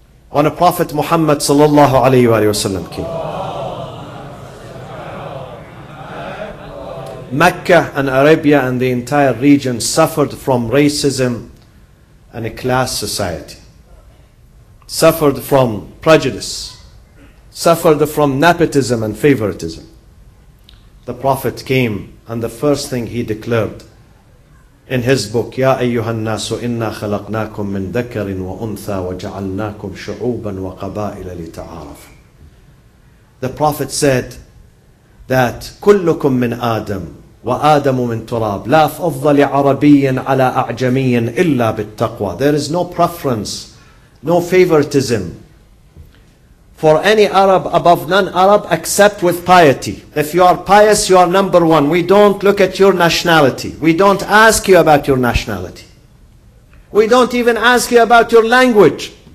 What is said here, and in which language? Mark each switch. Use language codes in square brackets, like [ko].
[en] When Prophet Muhammad sallallahu alayhi wa sallam came, Mecca and Arabia and the entire region suffered from racism and a class society. Suffered from prejudice. Suffered from nepotism and favoritism. The Prophet came and the first thing he declared, In his book, [ar] يَا أَيُّهَا النَّاسُ إِنَّا خَلَقْنَاكُمْ مِنْ ذَكَرٍ وَأُنْثَى وَجَعَلْنَاكُمْ شُعُوبًا وَقَبَائِلَ لِتَعَارَفُوا. [en] The Prophet said that [ar] كُلُّكُمْ مِنْ آدَمُ وَآدَمُ مِنْ تُرَابٍ لَا فَضَّ لِعَرَبِيٍّ عَلَىٰ أَعْجَمِيٍّ إِلَّا بِالتَّقْوَى. [en] There is no preference, no favoritism for any Arab above non-Arab except with piety. If you are pious, you are number one. We don't look at your nationality. We don't ask you about your nationality. We don't even ask you about your language.